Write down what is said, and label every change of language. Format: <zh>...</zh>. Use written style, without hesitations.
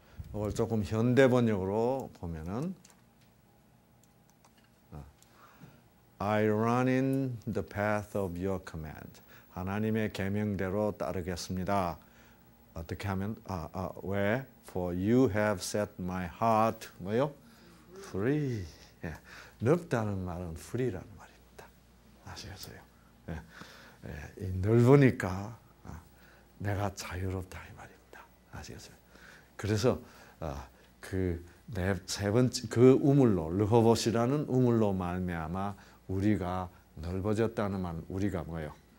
<ko>이걸 조금 현대 번역으로 보면은</ko> <en>I run in the path of your command.</en> <ko>하나님의 계명대로 따르겠습니다. 어떻게 하면</ko> <en>where for you have set my heart</en> <ko>뭐요?</ko> <en>Free.</en> <ko>넓다는 말은 free라는 말입니다. 아시겠어요? 이 넓으니까 내가 자유롭다 이 말입니다. 아시겠어요? 그래서 그 네 세 번째 그 우물로 르호봇이라는 우물로 말미암아 우리가 넓어졌다는 말 우리가 뭐예요?</ko>